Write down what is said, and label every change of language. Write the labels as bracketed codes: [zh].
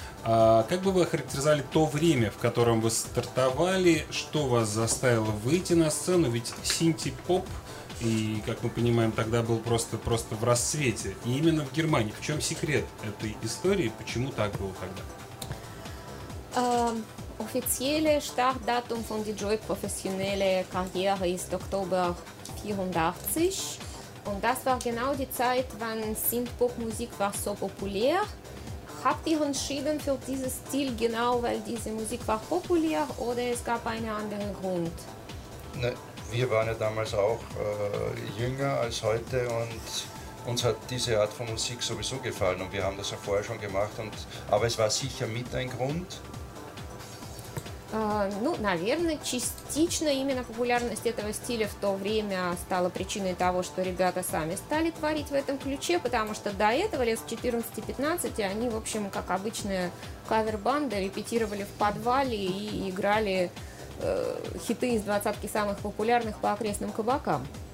[ru] А как бы вы охарактеризовали то время, в котором вы стартовали, что вас заставило выйти на сцену? Ведь синти-поп, и, как мы понимаем, тогда был просто в расцвете. И именно в Германии. В чем секрет этой истории? Почему так было тогда? [de] Offizielle Startdatum von Die Joy professionelle Karriere ist Oktober 84. Und das war genau die Zeit, wann Synthpop-Musik war so populär. Habt ihr entschieden für dieses Stil genau, weil diese Musik war populär oder es gab einen anderen Grund? Ne, wir waren ja damals auch jünger als heute und uns hat diese Art von Musik sowieso gefallen und wir haben das ja vorher schon gemacht, und, aber es war sicher mit ein Grund. [ru] Ну, наверное, частично именно популярность этого стиля в то время стала причиной того, что ребята сами стали творить в этом ключе, потому что до этого, лет с 14-15, они, в общем, как обычная кавер-банда, репетировали в подвале и играли хиты из двадцатки самых популярных по окрестным кабакам.